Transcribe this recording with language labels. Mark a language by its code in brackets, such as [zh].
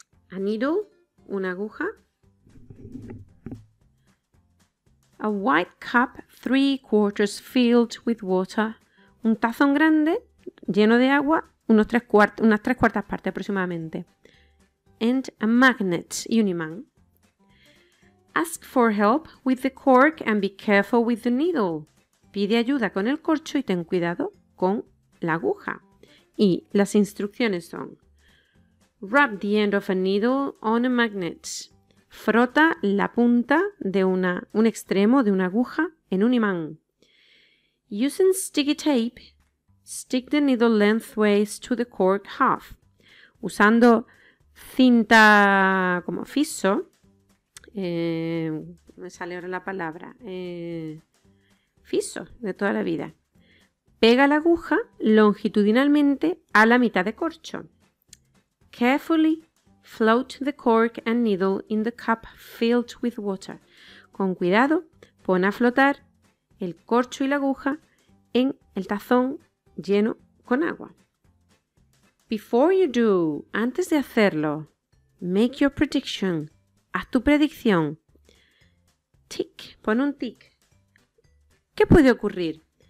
[en] A needle, [es] una aguja. [en] A white cup, 3/4 filled with water. [es] Un tazón grande, lleno de agua, unas tres cuartas partes aproximadamente. [en] And a magnet, [es] un imán. [en] Ask for help with the cork and be careful with the needle. [es] Pide ayuda con el corcho y ten cuidado con la aguja. Y las instrucciones son: [en] wrap the end of a needle on a magnet. [es] Frota la punta de un extremo de una aguja en un imán. [en] Using sticky tape, stick the needle lengthways to the cork half. [es] Usando cinta como fiso, me sale ahora la palabra, fiso de toda la vida. Pega la aguja longitudinalmente a la mitad de corcho. [en] Carefully float the cork and needle in the cup filled with water. [es] Con cuidado, pon a flotar el corcho y la aguja en el tazón lleno con agua. [en] Before you do, [es] antes de hacerlo, [en] make your prediction. [es] Haz tu predicción. Tick, pon un tick. ¿Qué puede ocurrir?